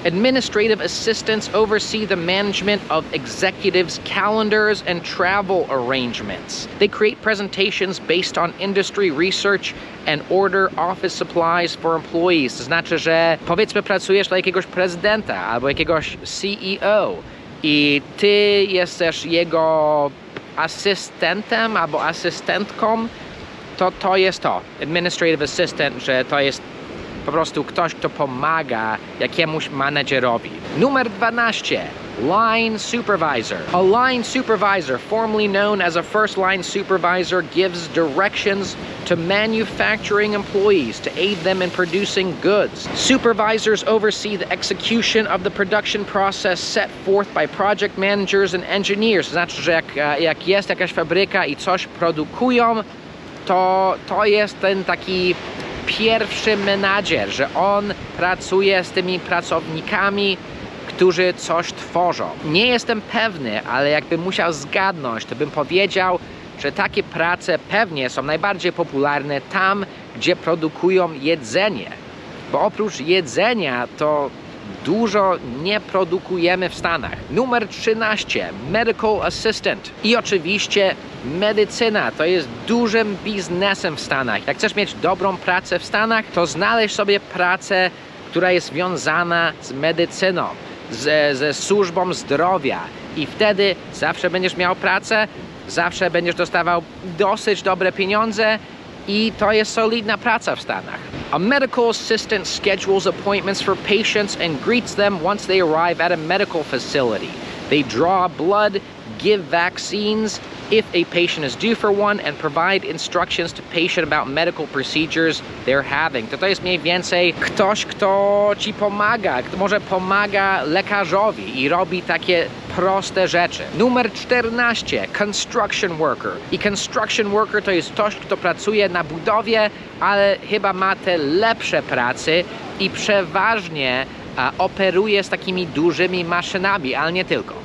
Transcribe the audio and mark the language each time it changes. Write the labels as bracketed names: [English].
[English] Administrative assistants oversee the management of executives' calendars and travel arrangements. They create presentations based on industry research and order office supplies for employees. [Polish] To znaczy, że powiedzmy pracujesz dla jakiegoś prezydenta albo jakiegoś CEO i ty jesteś jego asystentem albo asystentką, to jest to. Administrative assistant, że to jest po prostu ktoś, kto pomaga jakiemuś managerowi. Numer 12. Line supervisor. [English] A line supervisor, formerly known as a first line supervisor, gives directions to manufacturing employees to aid them in producing goods. Supervisors oversee the execution of the production process set forth by project managers and engineers. [Polish] Znaczy, że jak jest jakaś fabryka i coś produkują, to jest ten taki pierwszy menadżer, że on pracuje z tymi pracownikami, którzy coś tworzą. Nie jestem pewny, ale jakbym musiał zgadnąć, to bym powiedział, że takie prace pewnie są najbardziej popularne tam, gdzie produkują jedzenie. Bo oprócz jedzenia to dużo nie produkujemy w Stanach. Numer 13. Medical assistant. I oczywiście medycyna to jest dużym biznesem w Stanach. Jak chcesz mieć dobrą pracę w Stanach, to znaleźć sobie pracę, która jest związana z medycyną, ze służbą zdrowia. I wtedy zawsze będziesz miał pracę, zawsze będziesz dostawał dosyć dobre pieniądze i to jest solidna praca w Stanach. [English] A medical assistant schedules appointments for patients and greets them once they arrive at a medical facility. They draw blood, give vaccines if a patient is due for one, and provide instructions to patient about medical procedures they're having. [Polish] To jest mniej więcej ktoś, kto ci pomaga, kto może pomaga lekarzowi i robi takie proste rzeczy. Numer 14. Construction worker. I construction worker to jest ktoś, kto pracuje na budowie, ale chyba ma te lepsze prace i przeważnie operuje z takimi dużymi maszynami, ale nie tylko.